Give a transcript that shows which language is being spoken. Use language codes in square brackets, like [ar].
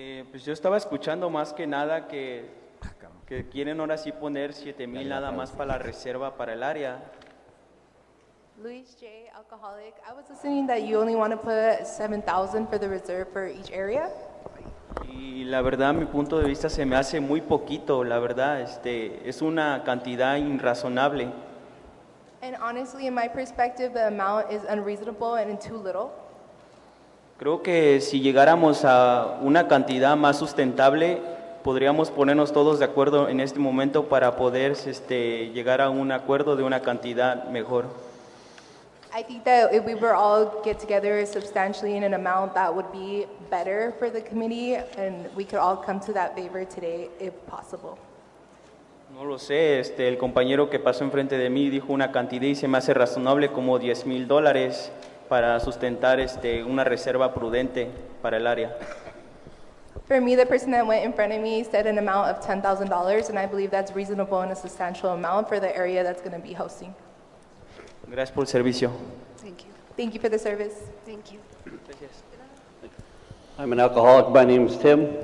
[es] Pues yo estaba escuchando más que nada que quieren ahora sí poner 7,000 nada más para la reserva para el área. Luis J. [en] Alcoholic, I was listening that you only want to put 7,000 for the reserve for each area. [es] Y la verdad, mi punto de vista se me hace muy poquito, la verdad, es una cantidad irrazonable. [en] And honestly, in my perspective, the amount is unreasonable and too little. [es] Creo que si llegáramos a una cantidad más sustentable, podríamos ponernos todos de acuerdo en este momento para poder llegar a un acuerdo de una cantidad mejor. [en] I think that if we were all get together substantially in an amount that would be better for the committee, and we could all come to that favor today if possible. [es] No lo sé, el compañero que pasó enfrente de mí dijo una cantidad y se me hace razonable como $10,000 para sustentar una reserva prudente para el área. [en] For me, the person that went in front of me said an amount of $10,000, and I believe that's reasonable and a substantial amount for the area that's going to be hosting. [es] Gracias por el servicio. [en] Thank you. Thank you for the service. Thank you. I'm an alcoholic. My name is Tim.